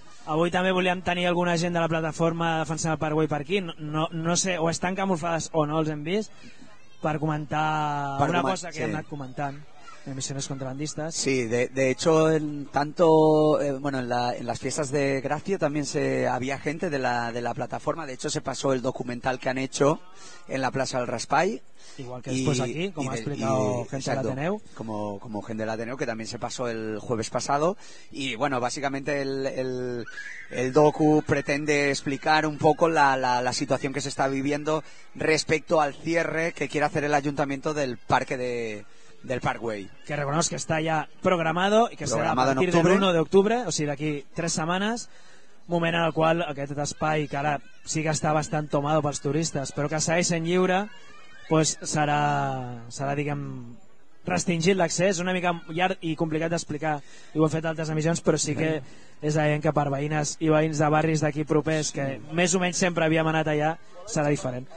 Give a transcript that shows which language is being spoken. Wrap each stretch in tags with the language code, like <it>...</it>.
<ca>Avui també volíem tenir alguna gent de la plataforma defensant el Parkway per aquí. No sé, o estan camuflades o no els hem vist, per comentar una cosa que hem anat comentant.</ca> <es>Emisiones contrabandistas. Sí, de hecho, en tanto, bueno, en las fiestas de Gracia también se había gente de la plataforma. De hecho, se pasó el documental que han hecho en la Plaza del Raspall. Igual que y, después aquí, como y, ha explicado gente del Ateneu. Como gente del Ateneu, que también se pasó el jueves pasado. Y bueno, básicamente el docu pretende explicar un poco la situación que se está viviendo respecto al cierre que quiere hacer el ayuntamiento del parque de. Del Parkway. Que reconozco que está ya programado y que programado será a partir del 1 de octubre, o sea, de aquí tres semanas.</es> <ca>Moment en el cual aquest espai, que ara sí que està bastant tomado pels turistes, però que segueix en lliure, pues serà, diguem, restringit l'accés. Una mica llarg i complicat d'explicar, i ho he fet altres emissions, però sí que és evident que per veïnes i veïns de barris d'aquí propers, que més o menys sempre havíem anat allà, serà diferent.</ca>